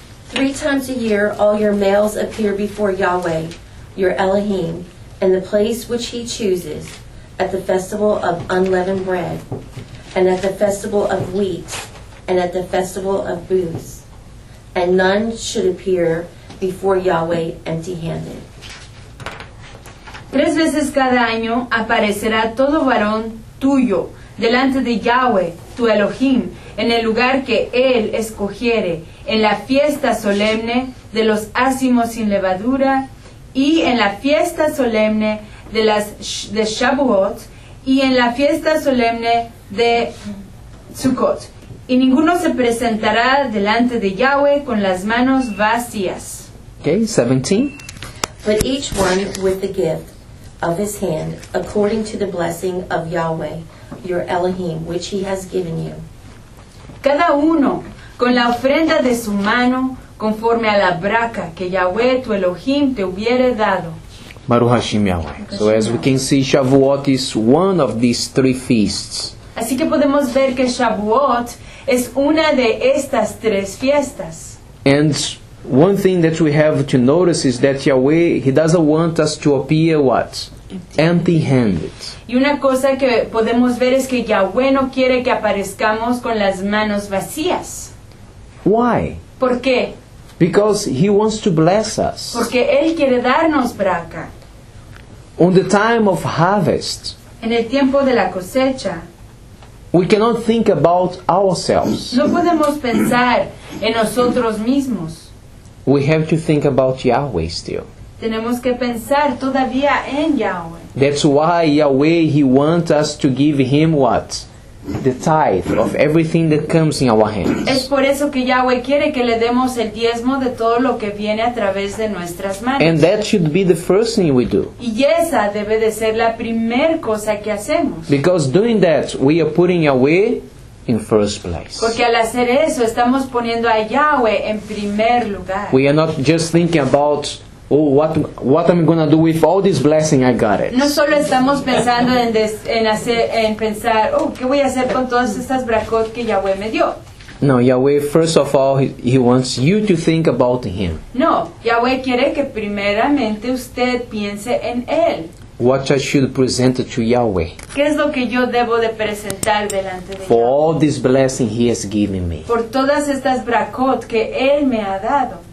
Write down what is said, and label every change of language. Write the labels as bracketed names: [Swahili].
[English] Three times a year all your males appear before Yahweh, your Elohim, in the place which he chooses, at the festival of unleavened bread, and at the festival of weeks, and at the festival of booths, and none should appear before Yahweh empty-handed. [Spanish] Tres veces cada año aparecerá todo varón tuyo delante de Yahweh, tu Elohim, en el lugar que Él escogiere, en la fiesta solemne de los ácimos sin levadura y en la fiesta solemne de las de Shavuot y en la fiesta solemne de Sukkot. Y ninguno se presentará delante de Yahweh con las manos vacías. [English] Okay, 17. But each one with the gift of his hand, according to the blessing of Yahweh, your Elohim, which he has given you. [Spanish] Cada uno con la ofrenda de su mano, conforme a la braca que Yahweh, tu Elohim, te hubiere dado. [Hebrew] Baruch Hashem Yahweh. [English] So as we can see, Shavuot is one of these three feasts. [Spanish] Así que podemos ver que Shavuot es una de estas tres fiestas. [English] And one thing that we have to notice is that Yahweh, he doesn't want us to appear what? Empty-handed. [Spanish] Y una cosa que podemos ver es que Yahweh no quiere que aparezcamos con las manos vacías. [English] Why? [Spanish] ¿Por qué? [English] Because he wants to bless us. [Spanish] Porque él quiere darnos braca. [English] On the time of harvest. [Spanish] En el tiempo de la cosecha. [English] We cannot think about ourselves. [Spanish] No podemos pensar en nosotros mismos. [English] We have to think about Yahweh still. [Spanish] Tenemos que pensar todavía en Yahweh. [English] That's why Yahweh, he wants us to give him what? The tithe of everything that comes in our hands. [Spanish] Es por eso que Yahweh quiere que le demos el diezmo de todo lo que viene a través de nuestras manos. [English] And that should be the first thing we do. [Spanish] Y esa debe de ser la primer cosa que hacemos. [English] Because doing that, we are putting Yahweh in first place. [Spanish] Porque al hacer eso, estamos poniendo a Yahweh en primer lugar. [English] We are not just thinking about, oh, what am I going to do with all this blessing I got it. [Spanish] No solo estamos pensando en pensar, oh, ¿qué voy a hacer con todas estas bracot que Yahweh me dio? [English] No, Yahweh, first of all, he wants you to think about him. [Spanish] No, Yahweh quiere que primeramente usted piense en él. [English] What I should present to Yahweh. [Spanish] ¿Qué es lo que yo debo de presentar delante de [English] for [Spanish] Yahweh? [English] All this blessing he has given me. [Spanish] Por todas estas bracot que él me ha dado.